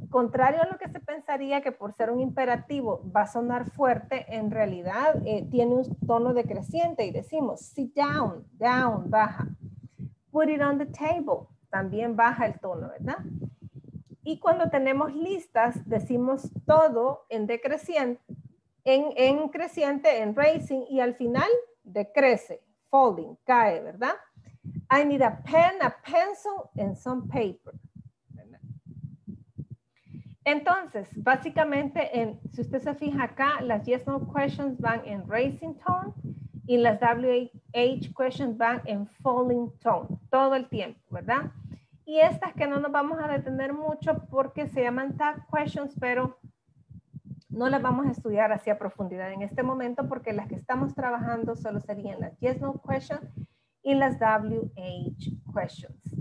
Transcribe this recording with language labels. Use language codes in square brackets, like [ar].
[es] Contrario a lo que se pensaría que por ser un imperativo va a sonar fuerte, en realidad tiene un tono decreciente y decimos [en] sit down, down, [es] baja. [en] Put it on the table, [es] también baja el tono, ¿verdad? Y cuando tenemos listas, decimos todo en decreciente, en creciente, en raising, y al final decrece, falling, cae, ¿verdad? [en] I need a pen, a pencil, and some paper. [es] Entonces, básicamente, si usted se fija acá, las yes no questions van en raising tone y las WH questions van en falling tone, todo el tiempo, ¿verdad? Y estas que no nos vamos a detener mucho porque se llaman tag questions, pero no las vamos a estudiar así a profundidad en este momento porque las que estamos trabajando solo serían las yes no questions y las WH questions.